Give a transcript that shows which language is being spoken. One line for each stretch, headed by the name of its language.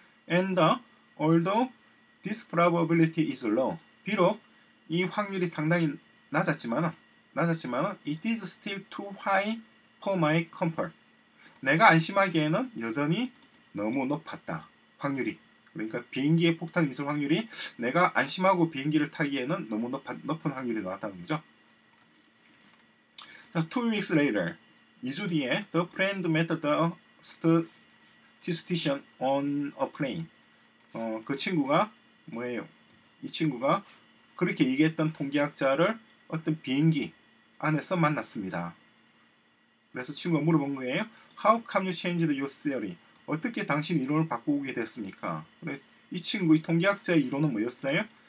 English: And although this probability is low,
Korean: 비록 이 확률이 상당히 낮았지만
English: it is still too high for my comfort.
Korean: 내가 안심하기에는 여전히 너무 높았다. 확률이. 그러니까 비행기의 폭탄이 있을 확률이 내가 안심하고 비행기를 타기에는 너무 높은 확률이 나왔다는 거죠.
English: Two weeks later,
Korean: 2주 뒤에
English: the friend met the statistician on a plane.
Korean: 그 친구가 뭐예요? 이 친구가 그렇게 얘기했던 통계학자를 어떤 비행기 안에서 만났습니다. 그래서 친구가 물어본 거예요.
English: How come you changed your theory?
Korean: 어떻게 당신 이론을 바꾸게 됐습니까? 그래서 이 친구, 이 통계학자의 이론은 뭐였어요?